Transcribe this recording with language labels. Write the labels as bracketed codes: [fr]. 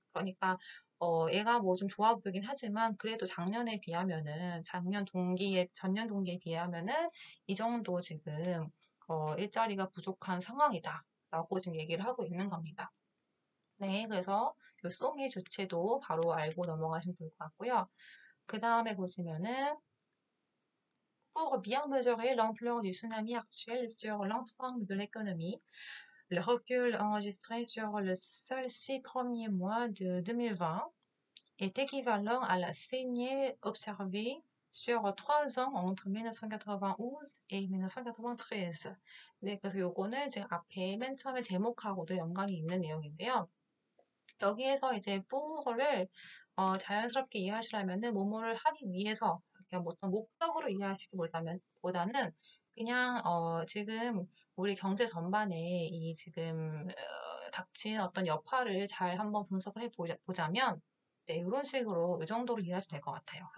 [ko] 그러니까 얘가 뭐좀 좋아 보이긴 하지만 그래도 작년에 비하면은 전년 동기에 비하면은 이 정도 지금 일자리가 부족한 상황이다라고 지금 얘기를 하고 있는 겁니다. 네, 그래서 그 송의 주체도 바로 알고 넘어가시면 좋을 것 같고요. 그 다음에 보시면은 [fr] Pour bien mesurer l'ampleur du tsunami actuel sur l'ensemble de l'économie, le recul enregistré sur le seul 6 premiers mois de 2020 est équivalent à la saignée observée sur 3 ans entre 1992 et 1993. [ko] 네, 그래서 요거는 지금 앞에 맨 처음에 제목하고도 연관이 있는 내용인데요. 여기에서 이제 뿌거를 자연스럽게 이해하시려면은 뭐뭐를 하기 위해서 그냥 어떤 목적으로 이해하시기보다는 그냥 지금 우리 경제 전반에 이 지금 닥친 어떤 여파를 잘 한번 분석을 해보자면 네, 이런 식으로 이 정도로 이해하시면 될것 같아요.